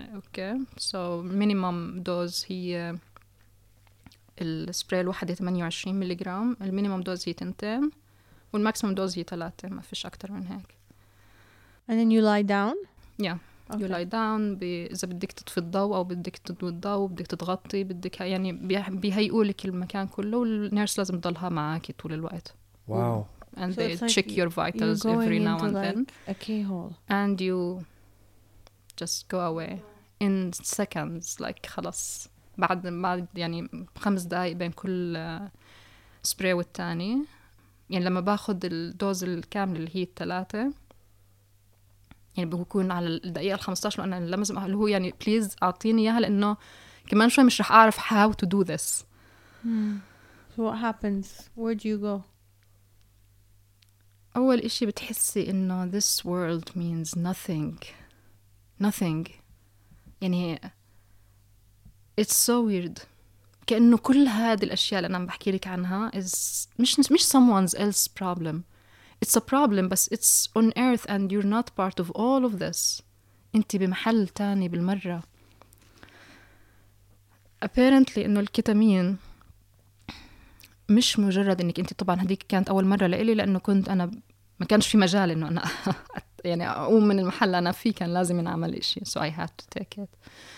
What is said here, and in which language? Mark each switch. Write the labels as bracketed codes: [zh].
[en] Okay, so minimum dose [ar] هي السبراي الواحدة 28 ميلي جرام, المينيمم دوز هي 2 والماكسيمم دوز هي 3, ما فيش أكتر من هيك. [en] And then you lie down. Yeah, okay. You lie down. [ar] إذا بدك تطفي الضوء أو بدك تدوي الضوء بدك تغطي بدك يعني بيهيئولك المكان كله, والنيرس لازم تضلها معك طول الوقت. [en] Wow. And so they check like your vitals every now and then. A keyhole. And you just go away in seconds, like [ar] خلاص بعد يعني 5 دقايق بين كل سبراي والتاني. يعني لما باخد الدوز الكامل اللي هي 3 يعني بكون على الدقيقة 15 وأنا لازم أهله يعني بليز أعطيني إياها لأنه كمان شوي مش رح أعرف [en] how to do this. So what happens? Where do you go? [ar] أول إشي بتحسي إنه [en] this world means nothing. Nothing. يعني it's so weird. [ar] كأنه كل هذه الأشياء اللي أنا عم بحكي لك عنها مش [en] someone else's problem. It's a problem, but it's on earth and you're not part of all of this. [ar] أنت بمحل تاني بالمرة. Apparently إنه الكيتامين مش مجرد إنك أنت, طبعا هذيك كانت أول مرة لإلي لأنه كنت أنا ما كانش في مجال إنه أنا يعني أقوم من المحل أنا فيه, كان لازم ينعمل إشي, [en] so I had to take it.